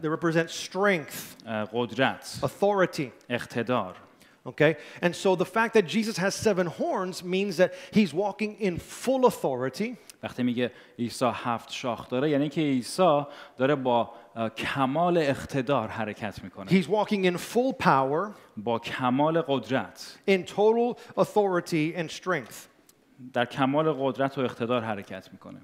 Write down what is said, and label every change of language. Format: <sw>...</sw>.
<en>They represent strength.</en> <fa>قدرت.</fa> <en>Authority.</en> <fa>اقتدار.</fa> <en>Okay. And so the fact that Jesus has seven horns means that he's walking in full authority.</en> <fa>وقتی میگه عیسی هفت شاخ داره یعنی که عیسی داره با کمال اقتدار حرکت میکنه.</fa> <en>He's walking in full power.</en> <fa>با کمال قدرت.</fa> <en>In total authority and strength.</en> <fa>در کمال قدرت و اقتدار حرکت میکنه.</fa>